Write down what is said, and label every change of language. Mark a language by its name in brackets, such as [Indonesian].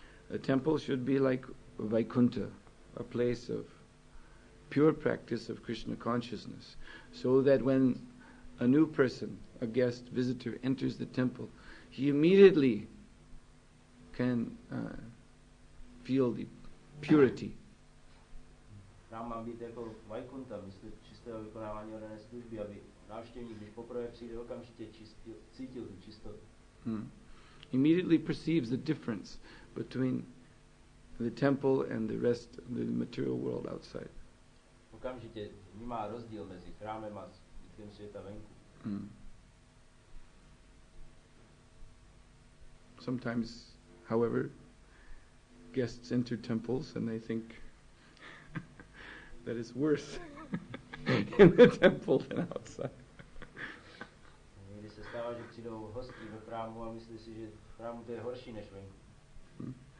[English] The temple should be like Vaikuntha, a place of pure practice of Krishna consciousness, so that when a new person, a guest, visitor enters the temple, he immediately can feel the purity. [Czech] Tam má být jako Vaikuntha, mysl čistého vykonávání odané služby, aby návštěvník, když poprvé přijde, okamžitě čistil, cítil tu čistotu. [English] Immediately perceives the difference between the temple and the rest of the material world outside. [Czech] Okamžitě vnímá rozdíl mezi chrámem a zbytkem světa venku. [English] Sometimes, however, guests enter temples and they think that it's worse in the temple than outside. [Czech] Někdy se stává, že přijdou hosti do chrámu a myslí si, že v chrámu to je horší než venku.